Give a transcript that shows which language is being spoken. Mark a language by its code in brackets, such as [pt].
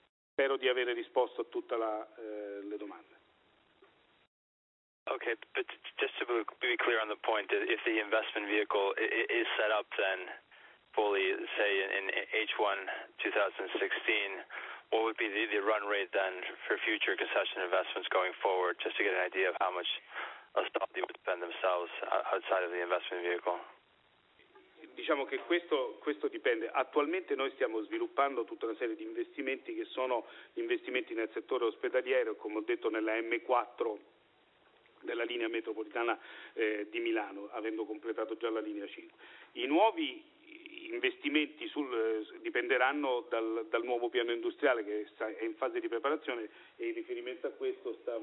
[it] Spero di avere risposto a tutte le domande. [en] Ok, but just to be clear on the point, if the investment vehicle is set up then fully, say in H1 2016, what would be the run rate then for future concession investments going forward, just to get an idea of how much Astaldi would spend themselves outside of the investment vehicle? [it] Diciamo che questo dipende. Attualmente noi stiamo sviluppando tutta una serie di investimenti che sono investimenti nel settore ospedaliero, come ho detto, nella M4 della linea metropolitana di Milano, avendo completato già la linea 5. I nuovi investimenti dipenderanno dal nuovo piano industriale che è in fase di preparazione e in riferimento a questo